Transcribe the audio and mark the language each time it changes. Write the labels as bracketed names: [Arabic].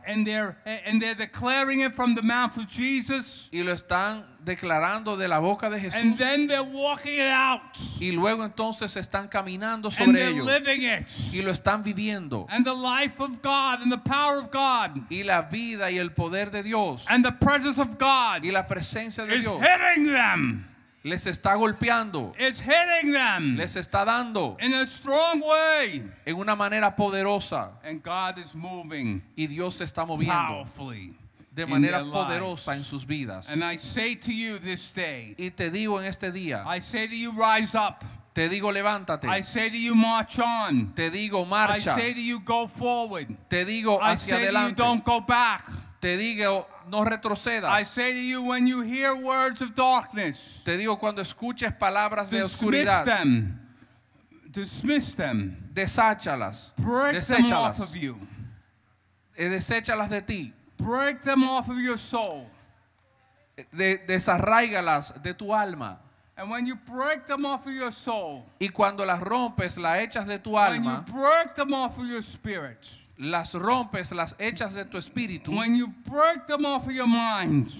[English] And they're declaring it from the mouth of Jesus. [Spanish] Y lo están declarando de la boca de Jesús. [English] And then they're walking it out. [Spanish] Y luego entonces están caminando sobre ello. [English] And they're living it. [Spanish] Y lo están viviendo. [English] And the life of God and the power of God. [Spanish] Y la vida y el poder de Dios. [English] And the presence of God. [Spanish] Y la presencia de Dios. [English] Is hitting them. [Spanish] Les está golpeando. [English] Is hitting them. [Spanish] Les está dando. [English] In a strong way. [Spanish] En una manera poderosa. [English] And God is moving. [Spanish] Y Dios se está moviendo. [English] Powerfully. [Spanish] De manera poderosa en sus vidas. [English] And I say to you this day, [Spanish] y te digo en este día. [English] I say to you, rise up. [Spanish] Te digo levántate. [English] I say to you, march on. [Spanish] Te digo marcha. [English] I say to you, go forward. [Spanish] Te digo hacia adelante. [English] I say to you, don't go back. [Spanish] Te digo no retrocedas. [English] I say to you, when you hear words of darkness, [Spanish] te digo cuando escuches palabras de oscuridad, [English] dismiss them, [Spanish] desáchalas, deséchalas, [English] break them off of you, [Spanish] deséchalas de ti, [English] break them off of your soul, [Spanish] desarráigalas de tu alma. [English] And when you break them off of your soul, [Spanish] y cuando las rompes, las echas de tu alma, [English] when you break them off of your spirit, [Spanish] las rompes, las echas de tu espíritu, [English] when you break them off of your mind,